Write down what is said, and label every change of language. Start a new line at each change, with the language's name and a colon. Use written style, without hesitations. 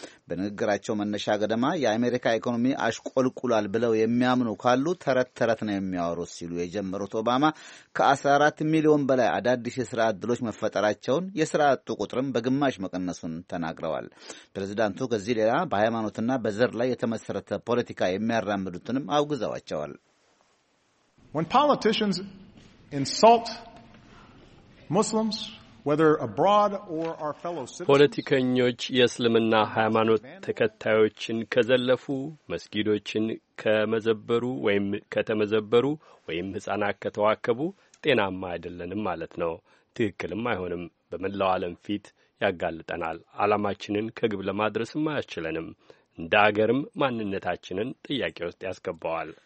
Amharic: በንግግራቸው መነሻ ገደማ የአሜሪካ ኢኮኖሚ አሽቆልቁሏል ብለው የሚያምኑ ካሉ ተረት ተረት ነው የሚያወሩት ሲሉ የጀመሩት ኦባማ ከ14 ሚሊዮን በላይ አዳዲስ የስራ ዕድሎች መፈጠራቸውን፣ የስራ አጡ ቁጥርም በግማሽ መቀነሱን ተናግረዋል። ፕሬዚዳንቱ ከዚህ ሌላ በሃይማኖትና በዘር ላይ የተመሰረተ ፖለቲካ የሚያራምዱትንም አውግዘዋቸዋል።
English: When politicians insult Muslims, whether abroad or our fellow citizens,
Amharic: ፖለቲከኞች የእስልምና ሃይማኖት ተከታዮችን ከዘለፉ፣ መስጊዶችን ከመዘበሩ ወይም ከተመዘበሩ ወይም ሕፃናት ከተዋከቡ ጤናማ አይደለንም ማለት ነው። ትክክልም አይሆንም። በመላው ዓለም ፊት ያጋልጠናል። ዓላማችንን ከግብ ለማድረስም አያስችለንም። እንደ አገርም ማንነታችንን ጥያቄ ውስጥ ያስገባዋል።